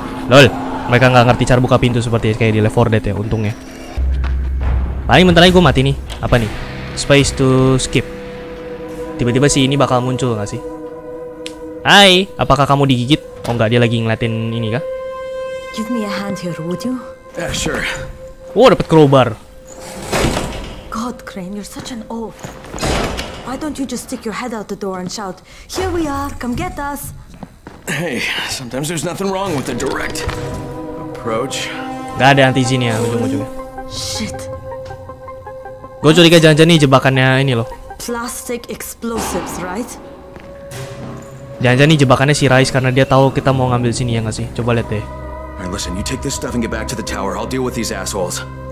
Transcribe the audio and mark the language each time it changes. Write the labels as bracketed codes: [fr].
[id] Lol, mereka gak ngerti cara buka pintu seperti kayak di Left 4 Dead ya, untungnya. Paling bentar lagi gua mati nih. Apa nih? [en] Space to skip. [id] Tiba-tiba sih ini bakal muncul gak sih? Hai, apakah kamu digigit? Oh enggak, dia lagi ngeliatin ini kah? [en] Give me a hand here, would you? Yeah, sure. [id] Oh, dapet crowbar. [en] God, Crane, you're such an oaf. Why don't you just stick your head out the door and shout, "Here we are, come get us!" Hey, sometimes there's nothing wrong with a direct approach. [id] Gak ada anti-zin ya, ujung-ujungnya. [en] Shit. [id] Gue curiga jangan-jangan nih jebakannya ini loh. [en] Plastic explosives, right? [id] Jangan-jangan nih jebakannya si Rice karena dia tahu kita mau ngambil sini ya nggak sih? Coba lihat deh. [en] Alright, listen, you take this stuff and get back to the tower. I'll deal with these assholes.